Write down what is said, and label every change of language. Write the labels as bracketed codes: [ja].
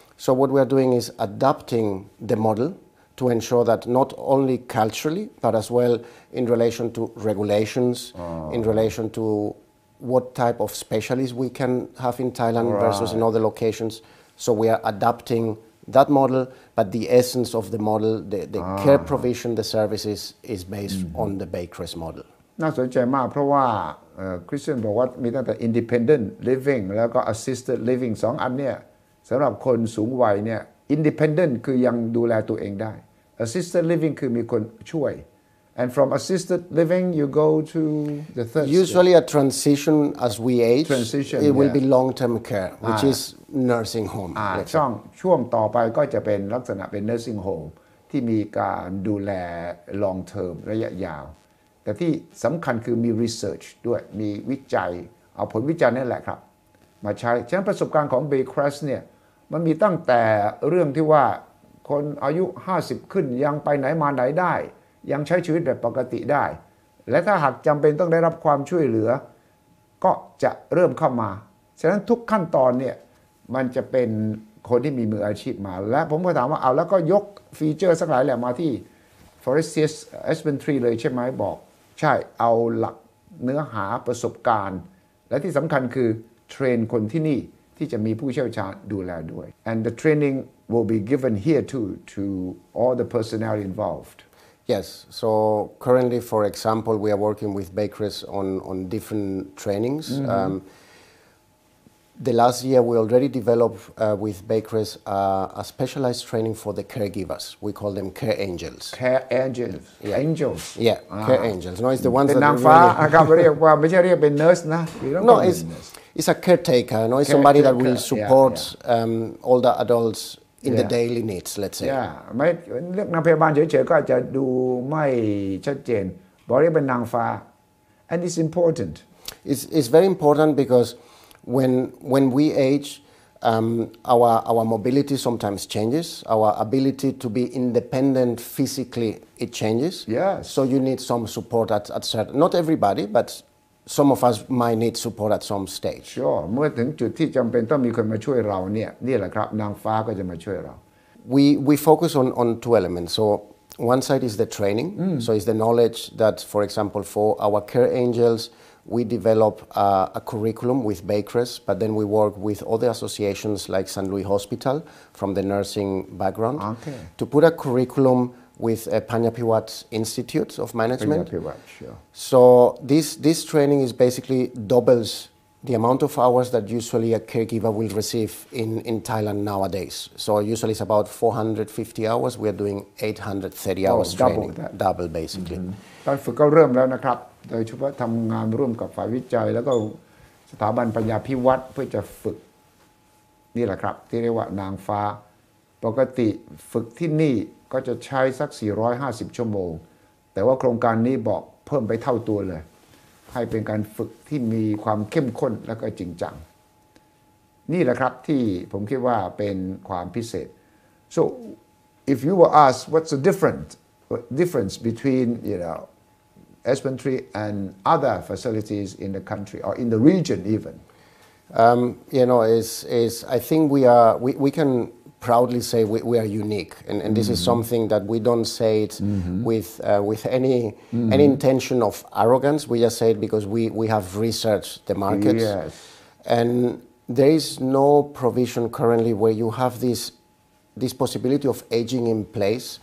[en] So what we are doing is adapting the model to ensure that not only culturally, but as well in relation to regulations, in relation to what type of specialists we can have in Thailand right. versus in other locations. So we are adapting that model, but the essence of the model, the care provision, the services is based mm-hmm. on the Bakers model. [th] น่าสนใจมากเพราะว่าคริสเตียนบอกว่ามีตั้งแต่ independent living แล้วก็ assisted living สองอันเนี่ยสำหรับคนสูงวัยเนี่ย independent คือยังดูแลตัวเองได้ assisted living คือมีคนช่วย [en] and from assisted living you go to the third usually a transition as we age transition it yeah. will be long term care which is nursing home [th] ช่วงต่อไปก็จะเป็นลักษณะเป็น nursing home ที่มีการดูแล long term ระยะยาวแต่ที่สำคัญคือมี research ด้วยมีวิจัยเอาผลวิจัยนั่นแหละครับมาใช้ฉะนั้นประสบการณ์ของ Bakers เนี่ยมันมีตั้งแต่เรื่องที่ว่าคนอายุ50ขึ้นยังไปไหนมาไหนได้ยังใช้ชีวิตแบบปกติได้และถ้าหากจำเป็นต้องได้รับความช่วยเหลือ ก็จะเริ่มเข้ามาฉะนั้นทุกขั้นตอนเนี่ยมันจะเป็นคนที่มีมืออาชีพมาและผมก็ถามว่าเอาแล้วก็ยกฟีเจอร์สักหลายแหล่มาที่ Forestiers Aspen Tree เลยใช่ไหมบอกใช่เอาหลักเนื้อหาประสบการณ์และที่สำคัญคือเทรนคนที่นี่ที่จะมีผู้เชี่ยวชาญดูแลด้วย [en] and the training will be given here too to all the personnel involved yes so currently for example we are working with Bakers on different trainings mm-hmm. The last year we already developed with Bakers a specialized training for the caregivers we call them care angels no it's the ones that it's a caretaker no it's somebody that will support older adults in the daily needs let's say [th] yeah ไม่เรียกนางพยาบาลเฉยๆก็จะดูไม่ชัดเจนบอกเรียกเป็นนางฟ้า [en] and it's important it's very important becauseWhen we age, our mobility sometimes changes. Our ability to be independent physically, it changes. Yes. So you need some support at certain, not everybody, but some of us might need support at some stage. Sure. [th] เมื่อถึงจุดที่จำเป็นต้องมีคนมาช่วยเราเนี่ยนี่แหละครับนางฟ้าก็จะมาช่วยเรา [en] We focus on two elements. So one side is the training. Mm. So it's the knowledge that, for example, for our care angels, we develop a curriculum with Bakers, but then we work with other associations like San Luis Hospital from the nursing background okay. to put a curriculum with Panyapiwat Institute of Management. Panyapiwat, sure. So this training is basically doubles the amount of hours that usually a caregiver will receive in Thailand nowadays. So usually it's about 450 hours. We are doing 830 hours double training. That. Double, basically. [th] ตอนฝึกก็เริ่มแล้วนะครับโดยเฉพาะทำงานร่วมกับฝ่ายวิจัยแล้วก็สถาบันปัญญาพิวัตรเพื่อจะฝึก นี่แหละครับที่เรียกว่านางฟ้าปกติฝึกที่นี่ก็จะใช้สัก450ชั่วโมงแต่ว่าโครงการนี้บอกเพิ่มไปเท่าตัวเลยให้เป็นการฝึกที่มีความเข้มข้นและก็จริงจังนี่แหละครับที่ผมคิดว่าเป็นความพิเศษ [en] so if you were asked what's the difference between you know Aspen and other facilities in the country or in the region even you know is I think we can proudly say we are unique and mm-hmm. this is something that we don't say it mm-hmm. with any mm-hmm. any intention of arrogance we just say it because we have researched the market yes. and there is no provision currently where you have this possibility of aging in place